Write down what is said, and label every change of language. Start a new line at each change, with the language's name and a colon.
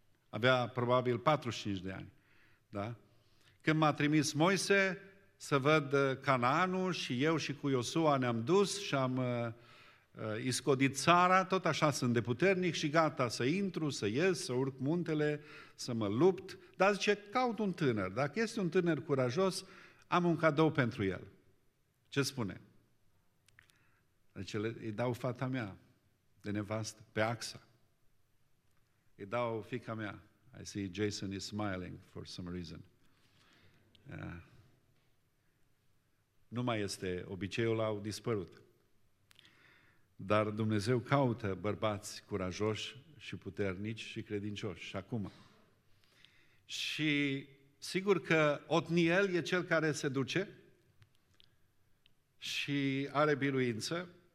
Romanian: Avea probabil 45 de ani. Da? Când m-a trimis Moise să văd Canaanul și eu și cu Iosua ne-am dus și am iscodit țara, tot așa sunt de puternic și gata să intru, să ies, să urc muntele, să mă lupt. Dar zice, caut un tânăr. Dacă este un tânăr curajos, am un cadou pentru el. Ce spune? Zice, îi dau fata mea de nevastă, pe Axa. Îi dau fiica mea.
English: I see Jason is smiling for some reason.
Romanian: Nu mai este, obiceiul au dispărut. Dar Dumnezeu caută bărbați curajoși și puternici și credincioși și acum. Și sigur că Otniel e cel care se duce și are biruință.